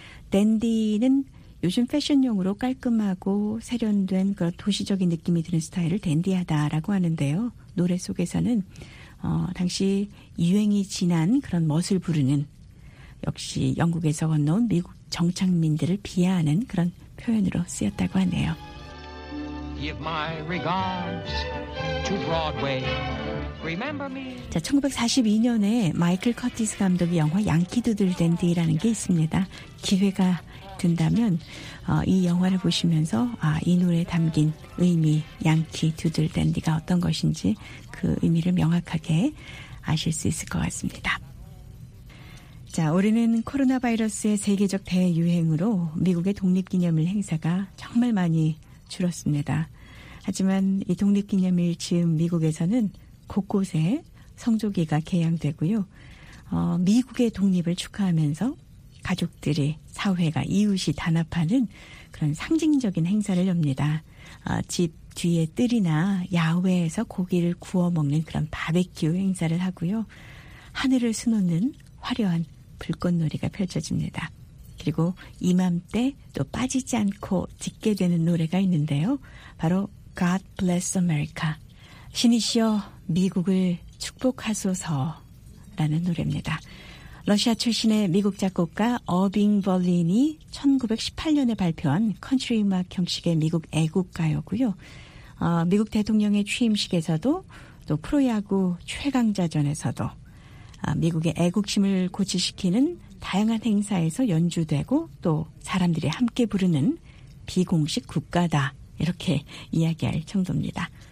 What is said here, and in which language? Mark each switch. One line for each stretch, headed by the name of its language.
Korean: 댄디는 요즘 패션용으로 깔끔하고 세련된 그런 도시적인 느낌이 드는 스타일을 댄디하다라고 하는데요. 노래 속에서는 당시 유행이 지난 그런 멋을 부르는, 역시 영국에서 건너온 미국 정착민들을 비하하는 그런 표현으로 쓰였다고 하네요.
English: Give my regards to Broadway. Remember me.
Korean: 자, 1942년에 마이클 커티스 감독의 영화 양키두들 댄디라는 게 있습니다. 기회가 된다면 이 영화를 보시면서 이 노래에 담긴 의미, 양키두들 댄디가 어떤 것인지 그 의미를 명확하게 아실 수 있을 것 같습니다. 자, 올해는 코로나 바이러스의 세계적 대유행으로 미국의 독립기념일 행사가 정말 많이 줄었습니다. 하지만 이 독립기념일 즈음 미국에서는 곳곳에 성조기가 개양되고요. 미국의 독립을 축하하면서 가족들이, 사회가, 이웃이 단합하는 그런 상징적인 행사를 엽니다. 집 뒤에 뜰이나 야외에서 고기를 구워 먹는 그런 바베큐 행사를 하고요. 하늘을 수놓는 화려한 불꽃놀이가 펼쳐집니다. 그리고 이맘때 또 빠지지 않고 듣게 되는 노래가 있는데요. 바로 God Bless America. 신이시여 미국을 축복하소서라는 노래입니다. 러시아 출신의 미국 작곡가 어빙 벌린이 1918년에 발표한 컨트리 음악 형식의 미국 애국가요고요. 미국 대통령의 취임식에서도 또 프로야구 최강자전에서도 미국의 애국심을 고취시키는 다양한 행사에서 연주되고 또 사람들이 함께 부르는 비공식 국가다, 이렇게 이야기할 정도입니다.